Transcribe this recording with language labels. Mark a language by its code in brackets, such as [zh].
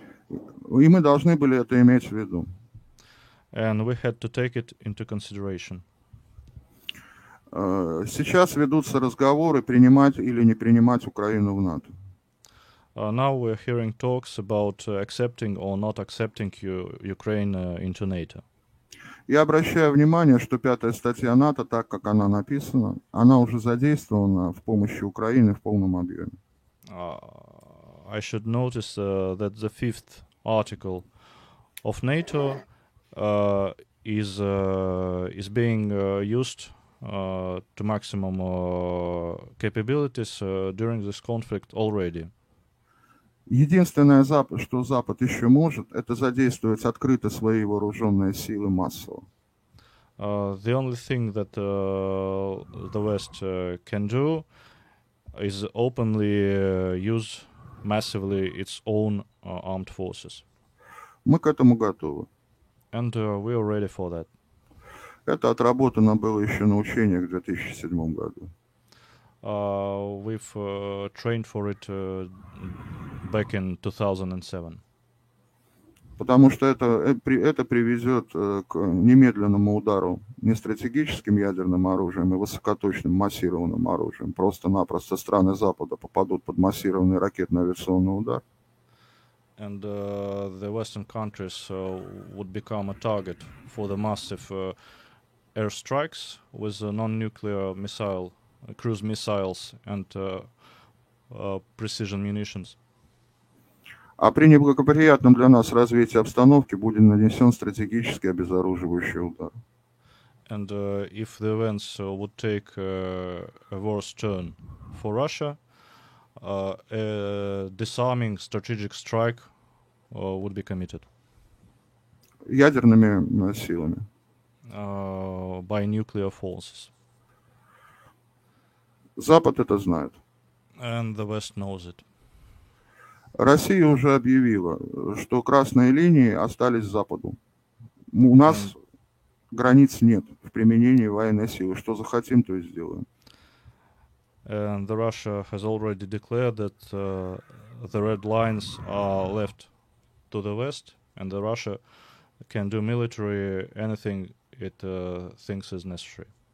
[ru] И мы должны были это иметь в виду. [en] And we had to take it into consideration. [ru] Сейчас ведутся разговоры, принимать или не принимать Украину в НАТО. [en] Now we're hearing talks about accepting or not accepting Ukraine into NATO. [ru] Я обращаю внимание, что пятая статья НАТО, так как она написана, она уже задействована в помощи Украины в полном объеме. [en] I should notice that the fifth article of NATO is being used to maximum capabilities during this conflict already. [ru] Единственное, что Запад еще может, это задействовать открыто свои вооруженные силы массово. [en] The only thing that the West can do is openly use massively its own armed forces. [ru] Мы к этому готовы. [en] And we are ready for that. [ru] Это отработано было еще на учениях в 2007 году. [en] We've trained for it back in 2007. [ru] Потому что это приведет к немедленному удару не стратегическим ядерным оружием и высокоточным массированным оружием. Просто-напросто страны Запада попадут под массированный ракетно-авиационный удар. [en] And the Western countries would become a target for the massive air strikes with a non-nuclear missile. Cruise missiles and precision munitions. [ru] А при неблагоприятном для нас развитии обстановки будет нанесен стратегический обезоруживающий удар. [en] And if the events would take a worse turn for Russia, a disarming strategic strike would be committed. [ru] Ядерными силами. [en] By nuclear forces. [ru] Запад это знает. [en] And the West knows it. [ru] Россия уже объявила, что красные линии остались Западу. У нас границ нет в применении военной силы. Что захотим, то и сделаем. [en] And the Russia has already declared that the red lines are left to the West, and the Russia can do military anything it thinks is necessary.